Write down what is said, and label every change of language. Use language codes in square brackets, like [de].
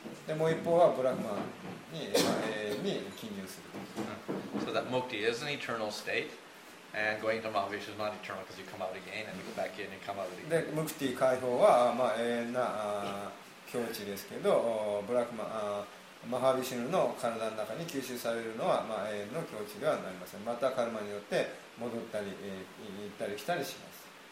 [ja] でもう一方はブラックマンに永遠に禁入する。 [en] So that mukti is an eternal state. And going to Mahavishnu is not eternal because you come out again and you go back in and come out again. [ja] で、ムクティ解放は、まあ、永遠な境地ですけど、ブラックマ、マハビシュヌの体の中に吸収されるのは、まあ、永遠の境地ではありません。またカルマによって戻ったり、行ったり来たりします。